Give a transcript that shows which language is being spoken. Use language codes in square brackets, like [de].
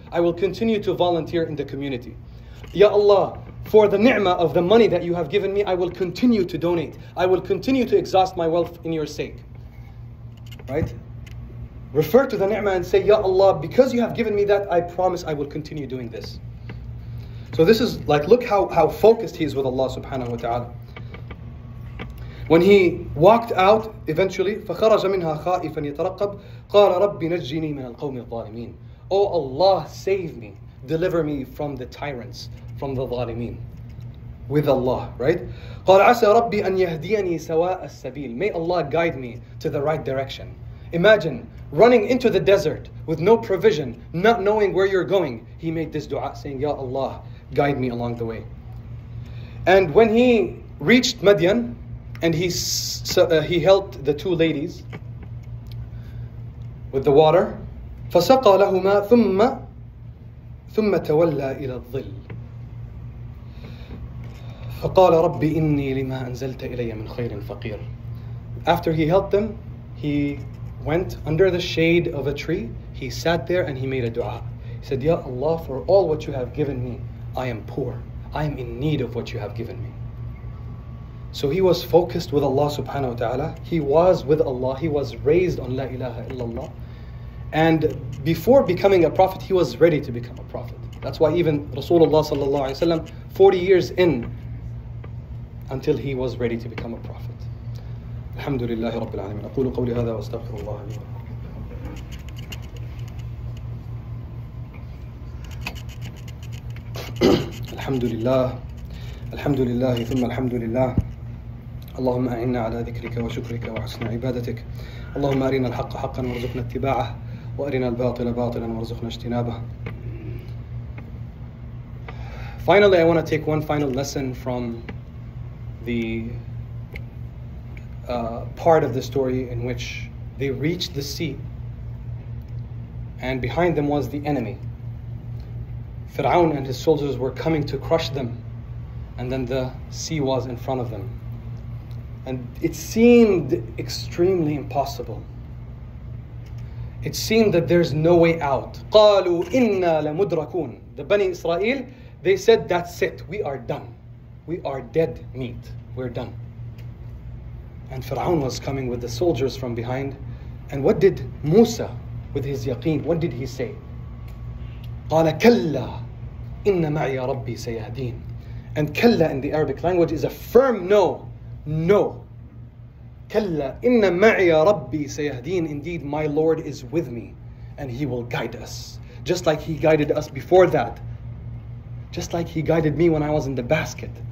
[en] I will continue to volunteer in the community. Ya Allah, for the ni'mah of the money that you have given me, I will continue to donate. I will continue to exhaust my wealth in your sake. Right? Refer to the ni'mah and say, Ya Allah, because you have given me that, I promise I will continue doing this. So this is like, look how focused he is with Allah subhanahu wa ta'ala. When he walked out, eventually, [ar] فَخَرَجَ مِنْهَا خَائِفًا يَتَرَقَّبْ قَالَ رَبِّ نَجِّنِي مِنَ الْقَوْمِ الظَّالِمِينَ. [en] Oh Allah, save me. deliver me from the tyrants, from the ظالمين. With Allah, right? [ar] قال عسى ربي أن يهديني سواء السبيل. [en] May Allah guide me to the right direction. Imagine running into the desert with no provision, not knowing where you're going. He made this dua saying, Ya Allah, guide me along the way. And when he reached Madian, and he helped the two ladies with the water. [ar] فسقى لهما ثم تولى إلى الظل. فقال ربي إني لما أنزلت إلي من خير فقير. [en] After he helped them, he went under the shade of a tree. He sat there and he made a dua. He said, Ya Allah, for all what you have given me, I am poor. I am in need of what you have given me. So he was focused with Allah subhanahu wa ta'ala. He was with Allah. He was raised on La ilaha illallah. And before becoming a prophet, he was ready to become a prophet. That's why even Rasulullah sallallahu alayhi wa sallam, 40 years in, until he was ready to become a prophet. [ar] Alhamdulillahi rabbil alameen. Aqulu qawli hadha wa astaghfirullah. Alhamdulillah. Alhamdulillah. Thumma alhamdulillah. اللهم أعنا على ذكرك وشكرك وحسن عبادتك اللهم أرنا الحق حقا وارزقنا اتباعه وأرنا الباطل باطلا وارزقنا اجتنابه. [en] Finally, I want to take one final lesson from the part of the story in which they reached the sea and behind them was the enemy. Fir'aun and his soldiers were coming to crush them, and then the sea was in front of them. And it seemed extremely impossible. It seemed that there's no way out. [ar] قالوا إنا لمدركون. [en] The Bani Israel, they said, that's it. We are done. We are dead meat. We're done. And Fir'aun was coming with the soldiers from behind. And what did Musa, with his yaqeen, what did he say? [ar] قال كلا إن معي ربي سيهدين. [en] And كلا in the Arabic language is a firm no. No. [ar] كلا إن معي ربي سيهدين. [en] Indeed, my Lord is with me and he will guide us. Just like he guided us before that. Just like he guided me when I was in the basket.